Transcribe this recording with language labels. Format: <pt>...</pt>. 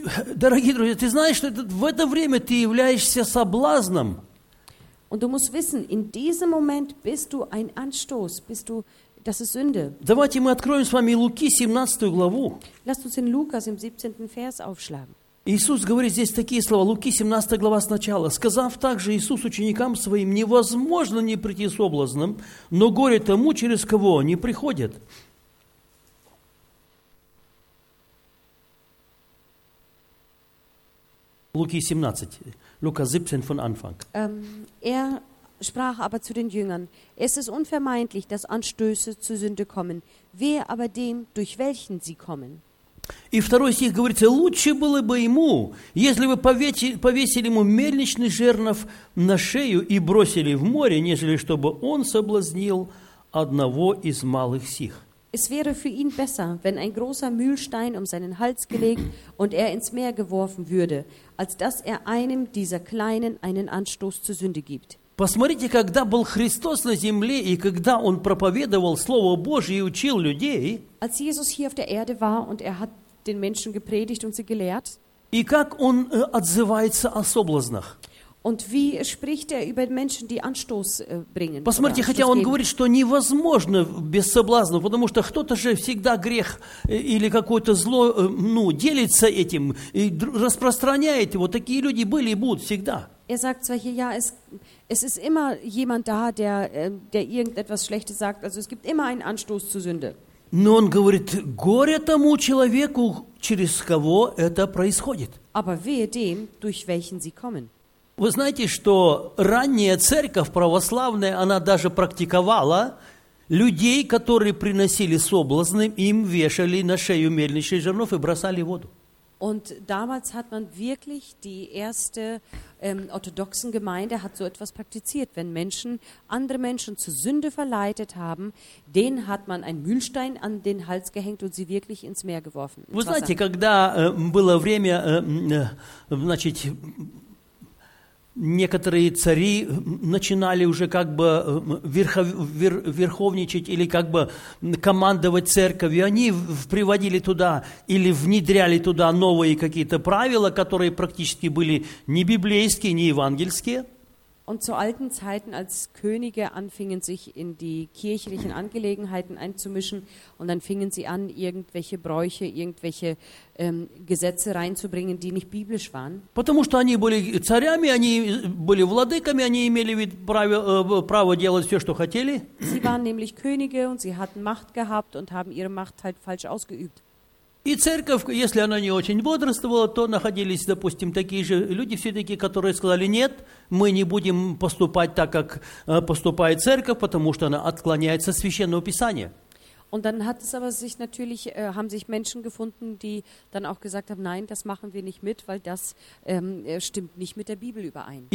<ru>То есть, дорогие друзья, ты знаешь, что в это время ты являешься соблазном.</ru> <de>Und du musst wissen, in diesem Moment bist du ein Anstoß, bist du, das ist Sünde.</de> <ru>Давайте мы откроем с вами Луки 17 главу.</ru> <de>Lasst uns in Lukas im 17. Vers aufschlagen.</de> <ru>Иисус говорит здесь такие слова, Луки 17 глава сначала. «Сказав также Иисус ученикам Своим, невозможно не прийти соблазном, но горе тому, через кого они приходят». Луки 17, Лука 17</ru> <de>von Anfang. Er sprach aber zu den Jüngern, es ist unvermeidlich, dass Anstöße zu Sünde kommen, wehe aber dem, durch welchen sie kommen.</de> <ru>И второй стих говорится, лучше было бы ему, если бы повесили ему мельничный жернов на шею и бросили в море, нежели чтобы он соблазнил одного из малых сих.</ru> <de>Es wäre für ihn besser, wenn ein großer Mühlstein um seinen Hals gelegt und er ins Meer geworfen würde, als dass er einem dieser Kleinen einen Anstoß zur Sünde gibt.</de> <ru>Посмотрите, когда был Христос на земле и когда Он проповедовал Слово Божие и учил людей.</ru> <de>Als Jesus hier auf der Erde war und er hat den Menschen gepredigt und sie gelehrt.</de> <ru>И как Он отзывается о соблазнах.</ru> <de>Und wie spricht er über Menschen, die Anstoß bringen?</de> <ru>Посмотрите, хотя он говорит, что невозможно без соблазна, потому что кто-то же всегда грех или какое-то зло, делится этим и распространяет его. Такие люди были и будут всегда.</ru> <de>Er sagt zwar hier, ja, es ist immer jemand da, der irgendetwas Schlechtes sagt. Also es gibt immer einen Anstoß zur Sünde.</de> <ru>Но он говорит, горе тому человеку, через кого это происходит.</ru> <de>Aber wehe dem, durch welchen sie kommen.</de> <ru>Вы знаете, что ранняя церковь православная, она даже практиковала людей, которые приносили соблазны, им вешали на шею мельничный жернов и бросали в воду.</ru> <de>Und damals hat man wirklich die erste orthodoxen Gemeinde hat so etwas praktiziert. Wenn Menschen andere Menschen zur Sünde verleitet haben, denen hat man einen Mühlstein an den Hals gehängt und sie wirklich ins Meer geworfen.</de> <ru>Вы знаете, когда было время, значит, некоторые цари начинали уже как бы верховничать или как бы командовать церковью. Они приводили туда или внедряли туда новые какие-то правила, которые практически были не библейские, не евангельские.</ru> <de>Und zu alten Zeiten, als Könige anfingen, sich in die kirchlichen Angelegenheiten einzumischen, und dann fingen sie an, irgendwelche Bräuche, irgendwelche Gesetze reinzubringen, die nicht biblisch waren.</de> <ru>Потому что они были царями, они были владыками, они имели право делать все, что хотели.</ru> <de>Sie waren nämlich Könige und sie hatten Macht gehabt und haben ihre Macht halt falsch ausgeübt.</de> <ru>И церковь, если она не очень бодрствовала, то находились, допустим, такие же люди все-таки, которые сказали, нет, мы не будем поступать так, как поступает церковь, потому что она отклоняется от Священного Писания.</ru> <de>Und dann hat es aber sich natürlich, haben sich Menschen gefunden, die dann auch gesagt haben, nein, das machen wir nicht mit, weil das stimmt nicht mit der Bibel überein.</de>